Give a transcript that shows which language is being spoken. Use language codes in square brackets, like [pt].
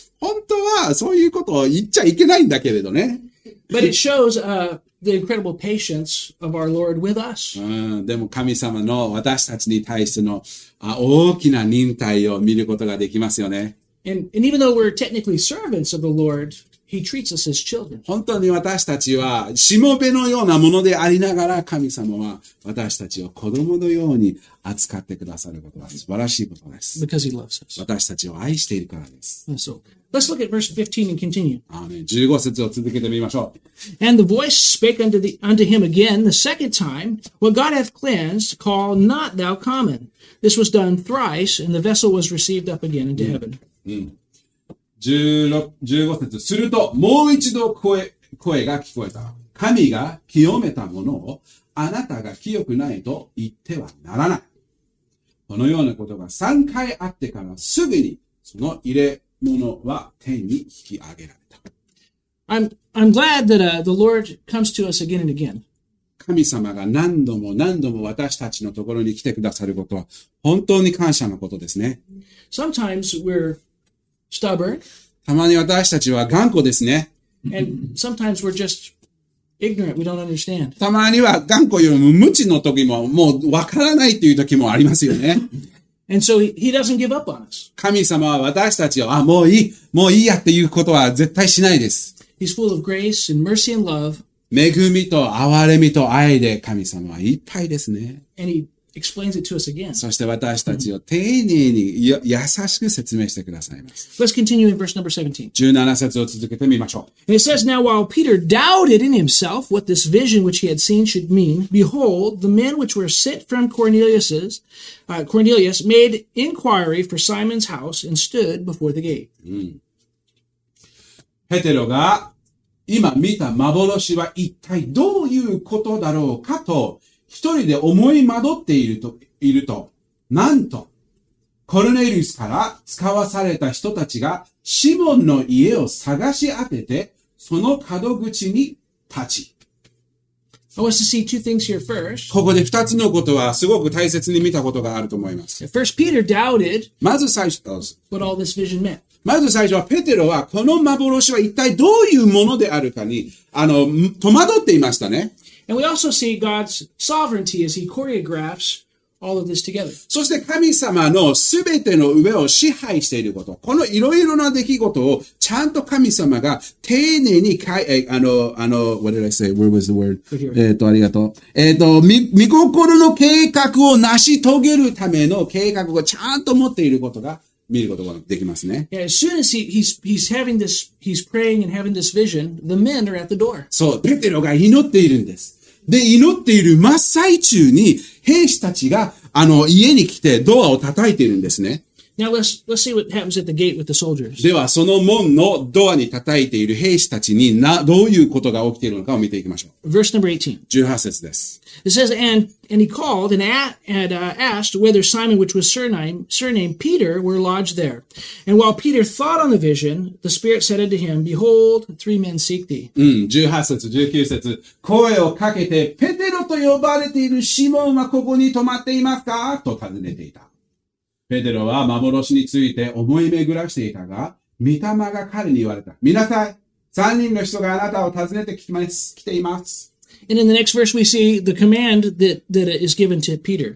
[ja] 本当は、そういうことを言っちゃいけないんだけれどね。 [en] But it shows, the incredible patience of our Lord with us. [ja] うん、でも神様の私たちに対しての、大きな忍耐を見ることができますよね。 [en] And even though we're technically servants of the Lord, He treats us as children. [ja] 本当に私たちはしもべのようなものでありながら、神様は私たちを子供のように扱ってくださることは素晴らしいことです。 [en] Because he loves us. [ja] 私たちを愛しているからです。 [en] So, let's look at verse 15 and continue. [ja] アーメン。 15節を続けてみましょう。 [en] And the voice spake unto him again the second time, What God hath cleansed, call not thou common. This was done thrice, and the vessel was received up again into heaven. [ja] うん。 15節、すると、もう一度声が聞こえた。神が清めたものを、あなたが清くないと言ってはならない。このようなことが3回あってから、すぐに、その入れ物は天に引き上げられた。 [en] I'm glad that the Lord comes to us again and again. [ja] 神様が何度も何度も私たちのところに来てくださることは、本当に感謝のことですね。 [en] Sometimes we'reStubborn. [ja] たまに私たちは頑固ですね。 [en] And sometimes we're just ignorant. We don't understand. [ja] たまには頑固よりも無知の時ももうわからないっていう時もありますよね。 [en] And so he doesn't give up on us. [ja] 神様は私たちをもういいやっていうことは絶対しないです。 [en] He's full of grace and mercy and love. [ja] 恵みと憐れみと愛で神様はいっぱいですね。 [en] And he explains it to us again. [ja] そして私たちを丁寧に優しく説明してくださいます。 [en] Let's continue in verse number 17. [ja] 17節を続けてみましょう。 [en] And it says, Now while Peter doubted in himself what this vision which he had seen should mean, behold, the men which were sent from Cornelius made inquiry for Simon's house and stood before the gate.、 [ja] ペテロが今見た幻は一体どういうことだろうかと一人で思い惑っていると、なんと、コルネリウスから使わされた人たちが、シモンの家を探し当てて、その角口に立ち。 [en] I want to see two things here first. [ja] ここで二つのことは、すごく大切に見たことがあると思います。 [en] First, Peter doubted, [ja] まず最初、 [en] what all this vision meant. [ja] まず最初は、ペテロは、この幻は一体どういうものであるかに、戸惑っていましたね。 [en] And we also see God's sovereignty as He choreographs all of this together. [ja] そして神様のすべての上を支配していること、このいろいろな出来事をちゃんと神様が丁寧に [en] What did I say? Where was the word? [ja] ありがとう。御心の計画を成し遂げるための計画をちゃんと持っていることが見ることができますね。 [en] Yeah, as soon as he's praying and having this vision, the men are at the door. [ja] そう、ペテロが祈っているんです。で、祈っている真っ最中に、兵士たちが、家に来て、ドアを叩いているんですね。 [en] Now, let's see what happens at the gate with the soldiers. [ja] では、その門のドアに叩いている兵士たちに、どういうことが起きているのかを見ていきましょう。 [en] Verse number 18. [ja] 18節です。 [en] It says, and he called and asked whether Simon, which was surnamed Peter, were lodged there. And while Peter thought on the vision, the Spirit said unto him, Behold, three men seek thee. [ja] 18節、19節。声をかけて、ペテロと呼ばれているシモンはここに泊まっていますか?と尋ねていた。ペテロは幻について思い巡らしていたが、御霊が彼に言われた。見なさい、三人の人があなたを訪ねて来ています。 [en] And in the next verse we see the command that is given to Peter.